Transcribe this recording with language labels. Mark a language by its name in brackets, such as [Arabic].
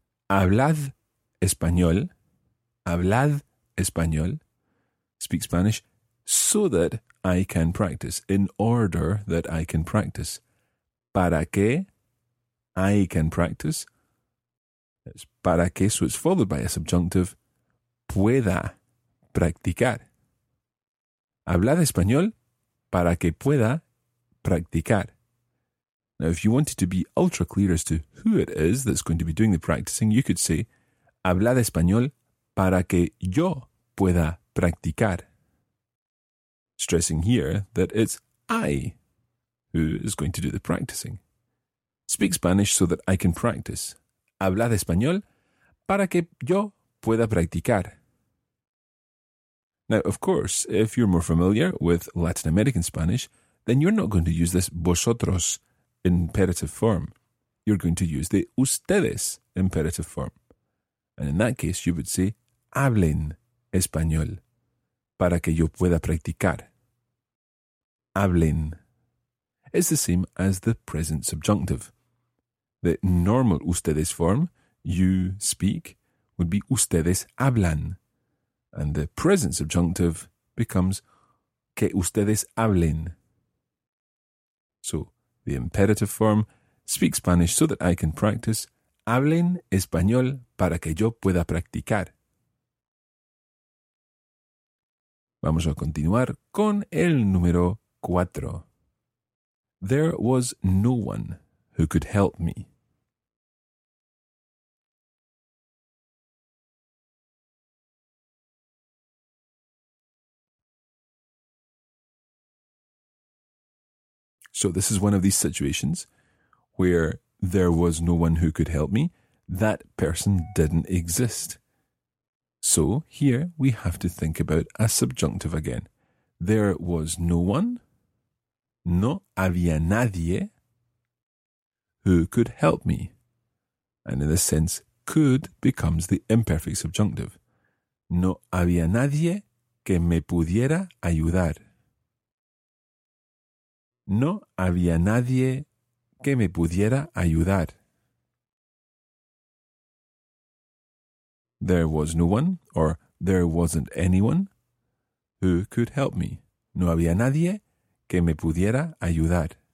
[Spanish] Hablad español. Hablad español. [English] Speak Spanish so that I can practice. In order that I can practice. [Spanish] Para que [English] I can practice. It's para que, so it's followed by a subjunctive. [Spanish] Pueda practicar. Hablad español para que pueda practicar. [English] Now, if you wanted to be ultra clear as to who it is that's going to be doing the practicing, you could say, [Spanish] hablad español para que yo pueda practicar. [English] Stressing here that it's I who is going to do the practicing. Speak Spanish so that I can practice. [Spanish] Hablad español para que yo pueda practicar. [English] Now, of course, if you're more familiar with Latin American Spanish, then you're not going to use this vosotros imperative form. You're going to use the ustedes imperative form. And in that case, you would say, [Spanish] hablen español para que yo pueda practicar. [English] Hablen. It's the same as the present subjunctive. The normal ustedes form, you speak, would be [Spanish] ustedes hablan. [English] And the present subjunctive becomes [Spanish] que ustedes hablen. [English] So, the imperative form, speak Spanish so that I can practice. [Spanish] Hablen español para que yo pueda practicar. Vamos a continuar con el número 4. [English] There was no one who could help me. So this is one of these situations where there was no one who could help me. That person didn't exist. So here we have to think about a subjunctive again. There was no one, [Spanish] no había nadie, [English] who could help me. And in this sense, could becomes the imperfect subjunctive. [Spanish] No había nadie que me pudiera ayudar. No había nadie que me pudiera ayudar. [English] There was no one, or there wasn't anyone, who could help me. [Spanish] No había nadie que me pudiera ayudar.